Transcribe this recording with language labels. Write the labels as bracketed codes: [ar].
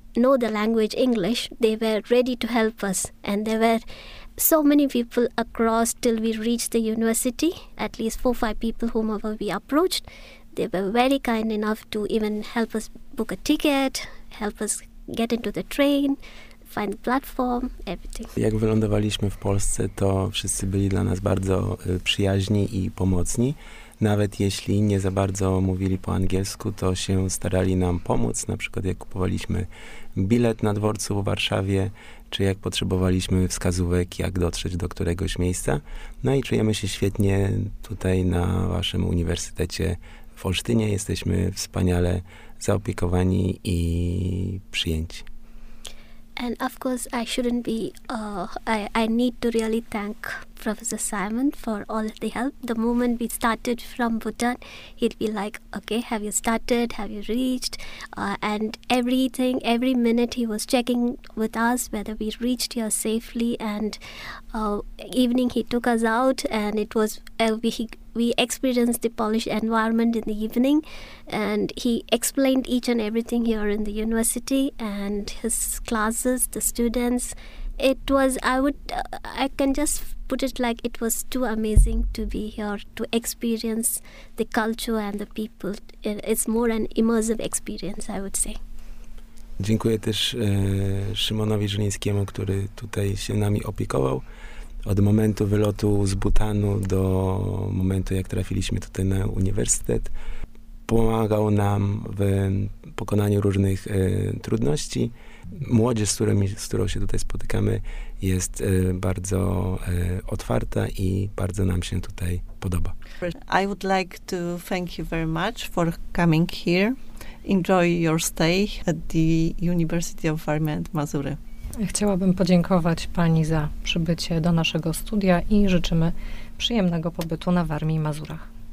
[en] know the language English, they were ready to help us. And there were so many people across till we reached the university, at least 4 or 5 people whomever we approached. They were very kind enough to even help us book a ticket, help us get into the train, find the platform, everything. [pl] Jak wylądowaliśmy w Polsce, to wszyscy byli dla nas bardzo przyjaźni i pomocni. Nawet jeśli nie za bardzo mówili po angielsku, to się starali nam pomóc. Na przykład jak kupowaliśmy bilet na dworcu w Warszawie, czy jak potrzebowaliśmy wskazówek, jak dotrzeć do któregoś miejsca. No i czujemy się świetnie tutaj na waszym uniwersytecie w Olsztynie. Jesteśmy wspaniale zaopiekowani i przyjęci. [en] And of course, I shouldn't be, I need to really thank Professor Simon for all of the help. The moment we started from Bhutan, he'd be like, okay, have you started? Have you reached? And everything, every minute he was checking with us whether we reached here safely. And evening he took us out and it was, we experienced the Polish environment in the evening. And he explained each and everything here in the university and his classes, the students. It was, I can just put it like it was too amazing to be here, to experience the culture and the people. It's more an immersive experience, I would say. [pl] Dziękuję też Szymonowi Żylińskiemu, który tutaj się nami opiekował. Od momentu wylotu z Butanu do momentu, jak trafiliśmy tutaj na uniwersytet, pomagał nam w pokonaniu różnych trudności. Młodzież, z którą się tutaj spotykamy, jest bardzo otwarta i bardzo nam się tutaj podoba. [en] I would like to thank you very much for coming here. Enjoy your stay at the University of Warmia and Mazury. [pl] Chciałabym podziękować pani za przybycie do naszego studia i życzymy przyjemnego pobytu na Warmii i Mazurach.